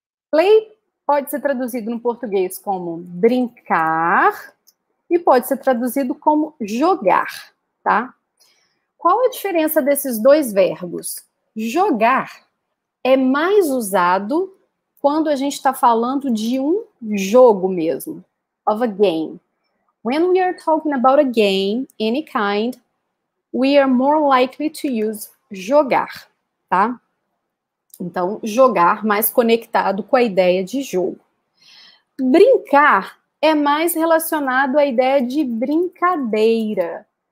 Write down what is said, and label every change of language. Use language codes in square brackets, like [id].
[pt] Play pode ser traduzido no português como brincar e pode ser traduzido como jogar, tá? Qual a diferença desses dois verbos? Jogar é mais usado quando a gente está falando de um jogo mesmo, [en] of a game. When we are talking about a game, any kind, we are more likely to use jogar, tá? [pt] Então, jogar mais conectado com a ideia de jogo. Brincar é mais relacionado à ideia de brincadeira.